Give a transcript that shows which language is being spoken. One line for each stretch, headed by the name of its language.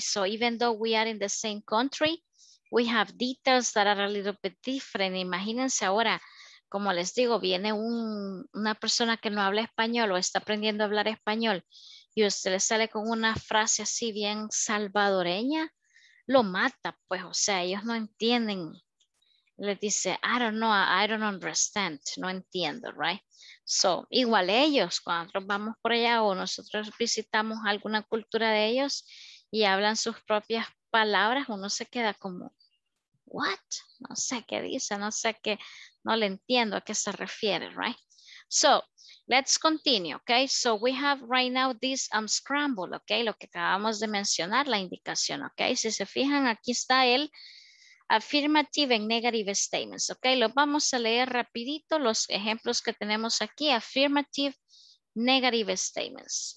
English: So, even though we are in the same country, we have details that are a little bit different.
Spanish: Imagínense ahora, como les digo, viene una persona que no habla español o está aprendiendo a hablar español y usted le sale con una frase así bien salvadoreña, lo mata, pues, o sea, ellos no entienden.
English: Le dice, I don't know, I don't understand,
Spanish: no entiendo,
English: right?
Spanish: So, igual ellos, cuando nosotros vamos por allá o nosotros visitamos alguna cultura de ellos y hablan sus propias palabras, uno se queda como, what? No sé qué dice, no sé qué, no le entiendo a qué se refiere, right?
English: So, let's continue, okay? So, we have right now this scramble, okay?
Spanish: Lo que acabamos de mencionar, la indicación, okay? Si se fijan, aquí está el
English: affirmative and negative statements,
Spanish: okay? Los vamos a leer rapidito los ejemplos que tenemos aquí,
English: affirmative, negative statements.